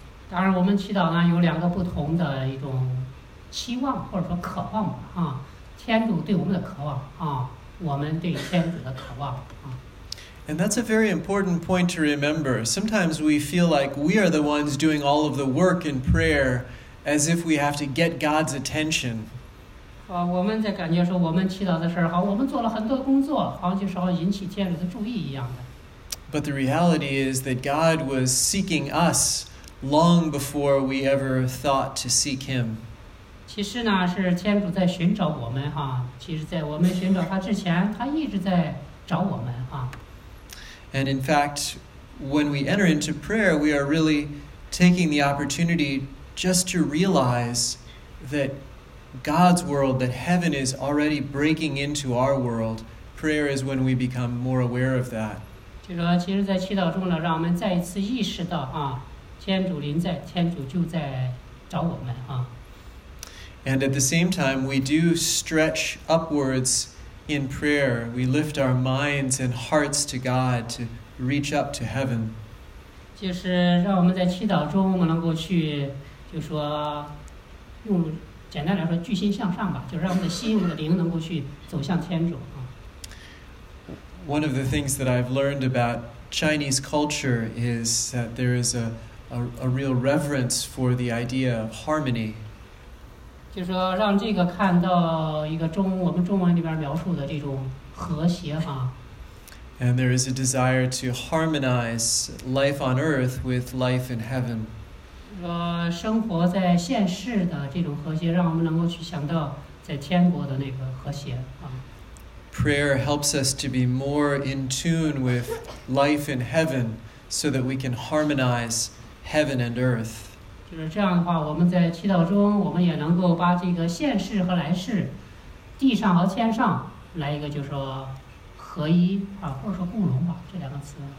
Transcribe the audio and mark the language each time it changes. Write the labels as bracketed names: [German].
[Chinese] 当然我们祈祷呢有两个不同的一种期望或者说渴望吧啊，天主对我们的渴望啊，我们对天主的渴望啊。 [English] And that's a very important point to remember. Sometimes we feel like we are the ones doing all of the work in prayer as if we have to get God's attention. [Chinese] 我们在感觉说我们祈祷的事儿，好，我们做了很多工作，好像就是要引起天主的注意一样的。 [English] But the reality is that God was seeking us long before we ever thought to seek him. [Chinese] 其实呢，是天主在寻找我们哈，其实在我们寻找他之前，他一直在找我们啊。 [English] And in fact, when we enter into prayer, we are really taking the opportunity just to realize that God's world, that heaven is already breaking into our world. Prayer is when we become more aware of that. [Chinese] 就说其实在祈祷中呢，让我们再一次意识到啊，天主临在，天主就在找我们啊。 [English] And at the same time, we do stretch upwards in prayer, we lift our minds and hearts to God to reach up to heaven. [Chinese] 就是让我们在祈祷中，我们能够去，就说用简单来说，聚心向上吧，就让我们的心、我们的灵能够去走向天主啊。 [English] One of the things that I've learned about Chinese culture is that there is a real reverence for the idea of harmony. [Chinese] 就是说让这个看到一个我们中文里边描述的这种和谐哈。 [English] And there is a desire to harmonize life on earth with life in heaven. [Chinese] 生活在现世的这种和谐让我们能够去想到在天国的那个和谐啊。 [English] prayer helps us to be more in tune with life in heaven so that we can harmonize heaven and earth. [Chinese] 就是这样的话，我们在祈祷中，我们也能够把这个现世和来世，地上和天上来一个，就是说合一啊，或者说共融吧，这两个词。